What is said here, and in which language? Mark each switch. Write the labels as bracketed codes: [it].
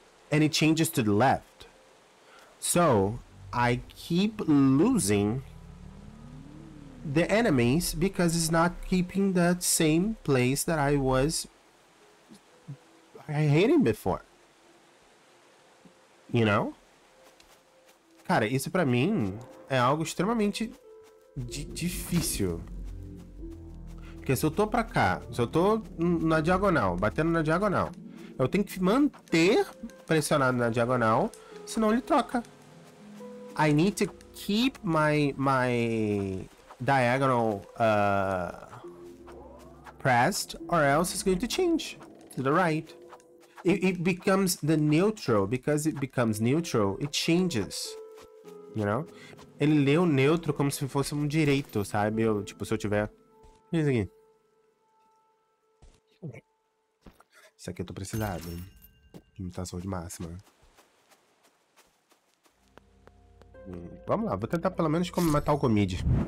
[en] And it changes to the left. So I keep losing the enemies because it's not keeping that same place that I was hitting before. You know? [pt] Cara, isso pra mim é algo extremamente difícil. Porque se eu tô pra cá, se eu tô na diagonal, batendo na diagonal, eu tenho que manter pressionado na diagonal, senão ele troca. [en] I need to keep my diagonal pressed, or else it's going to change to the right. It becomes the neutral, because it becomes neutral, it changes, you know? [pt] Ele lê o neutro como se fosse um direito, sabe? Eu, tipo, se eu tiver... Isso aqui. Isso aqui eu tô precisado. Limitação de máxima. Vamos lá, vou tentar pelo menos como matar o Gomid.